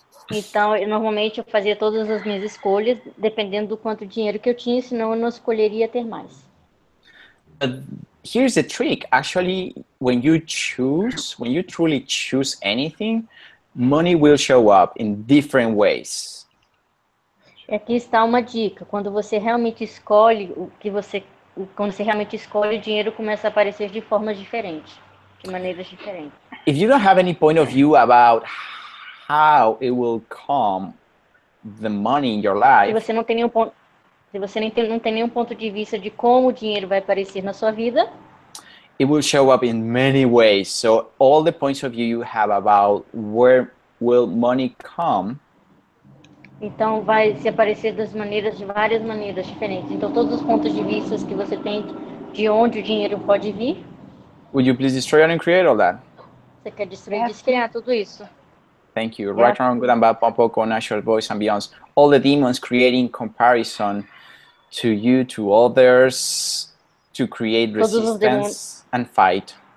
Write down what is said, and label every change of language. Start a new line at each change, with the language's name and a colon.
Portuguese: Então, eu normalmente fazia todas as minhas escolhas dependendo do quanto de dinheiro que eu tinha, senão eu não escolheria ter mais.
English: Here's the trick. Actually, when you truly choose anything, money will show up in different ways.
Portuguese: Aqui está uma dica. Quando você realmente escolhe quando você realmente escolhe, o dinheiro começa a aparecer de formas diferentes, de maneiras diferentes.
English: if you don't have any point of view about how it will come the money in your life,
Portuguese: se você não tem nenhum ponto de vista de como o dinheiro vai aparecer na sua vida,
English: it will show up in many ways. So all the points of view you have about where will money come,
Portuguese: então vai se aparecer das maneiras, de várias maneiras diferentes. Então todos os pontos de vista que você tem de onde o dinheiro pode vir.
English: Would you please destroy and create all that?
Portuguese: Você quer destruir, descriar tudo isso?
English: Thank you. Right on, good and bad, popo, con natural voice and beyond. All the demons creating comparison to you, to others, to create resistance and fight.